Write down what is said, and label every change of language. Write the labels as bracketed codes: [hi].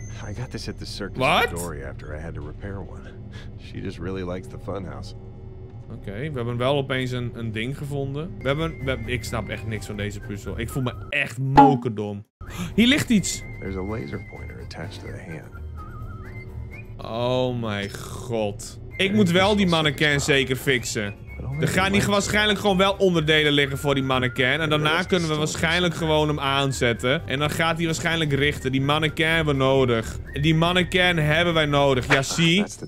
[en] I got this at the circus with Dory after I had to repair one. She just really likes the funhouse. [nl] Oké, we hebben wel opeens een ding gevonden. Ik snap echt niks van deze puzzel. Ik voel me echt mokerdom. Hier ligt iets. [en] There's a laser pointer attached to the hand. Oh my god. [nl] Ik moet wel die mannequin zeker fixen. Er gaan hier waarschijnlijk gewoon wel onderdelen liggen voor die mannequin. En daarna kunnen we waarschijnlijk gewoon hem aanzetten. En dan gaat hij waarschijnlijk richten. Die mannequin hebben we nodig. Die mannequin hebben wij nodig. Ja, zie.